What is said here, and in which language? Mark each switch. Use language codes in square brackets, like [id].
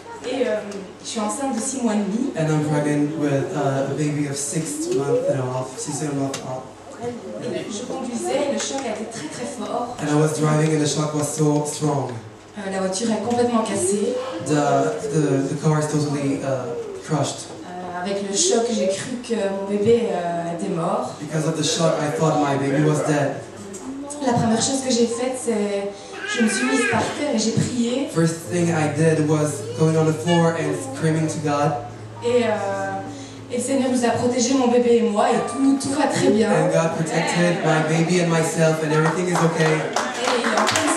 [fr] Et je suis enceinte de 6 mois et demi. [en] And I'm pregnant with a baby of 6 months and a half. [fr] Je conduisais et le choc était très très fort. [en] And I was driving and the shock was so strong. [fr] La voiture est complètement cassée. [en] The car is totally crushed. [fr] Avec le choc, j'ai cru que mon bébé était mort. [en] Because of the shock, I thought my baby was dead. [fr] La première chose que j'ai faite, c'est je me suis mise par terre et j'ai prié. [en] First thing I did was going on the floor and screaming to God. [fr] Et le Seigneur nous a protégé mon bébé et moi et tout va très bien. [en] And God protected my baby and myself and everything is okay.